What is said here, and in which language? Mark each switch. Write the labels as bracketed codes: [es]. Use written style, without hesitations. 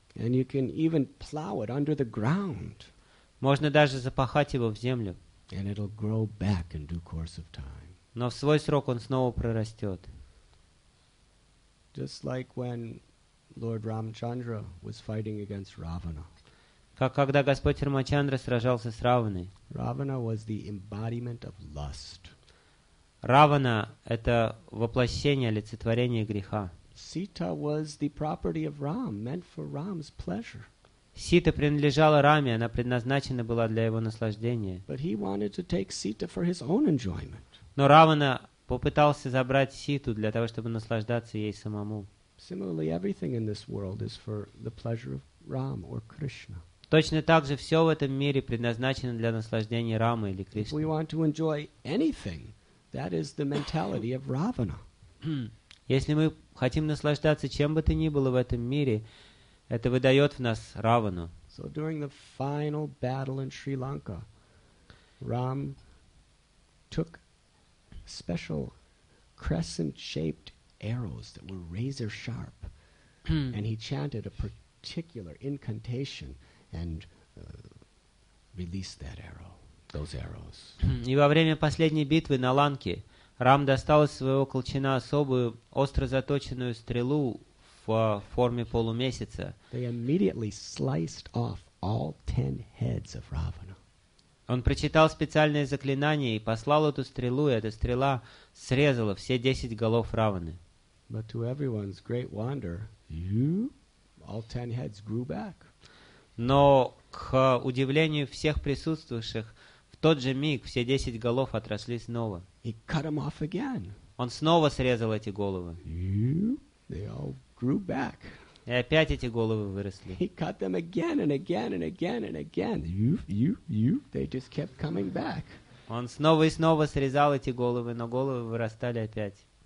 [en] And you can even plow it under the ground. [ru] Можно даже запахать его в землю. [en] And it'll grow back in due course of time. [ru] Но в свой срок он снова прорастет. [en] Just like when Lord Ramchandra was fighting against Ravana. [ru] Как когда Господь Рамачандра сражался с Раваной. [en] Ravana was the embodiment of lust. [ru] Равана — это воплощение, олицетворение греха. [en] Sita was the property of Ram, meant for Ram's pleasure. [ru] Сита принадлежала Раме, она предназначена была для его наслаждения. [en] But he wanted to take Sita for his own enjoyment. [ru] Но Равана попытался забрать Ситу для того, чтобы наслаждаться ей самому. [en] Similarly, everything in this world is for the pleasure of Ram or Krishna. [ru] Точно так же все в этом мире предназначено для наслаждения Рамы или Кришны. [en] We want to enjoy anything, that is the mentality of Ravana. [ru] Если мы хотим наслаждаться чем бы то ни было в этом мире, это выдает в нас Равану. [en] So during the final battle in Sri Lanka, Ram took special crescent-shaped arrows that were razor sharp, and he chanted a particular incantation. and release that arrow, those arrows. [ru] И во время последней битвы на Ланке Рам достал из своего колчана особую остро заточенную стрелу в форме полумесяца. [en] They immediately sliced off all 10 heads of Ravana. [ru] Он прочитал специальное заклинание и послал эту стрелу, и эта стрела срезала все 10 голов Раваны. [en] But to everyone's great wonder, all 10 heads grew back. [ru] Но к удивлению всех присутствующих, в тот же миг все 10 голов отросли снова. [en] He cut them off again. [ru] Он снова срезал эти головы. [en] They all grew back. [ru] И опять эти головы выросли. [en] He cut them again and again and again and again. They just kept coming back. [ru] Он снова и снова срезал эти головы, но головы вырастали опять.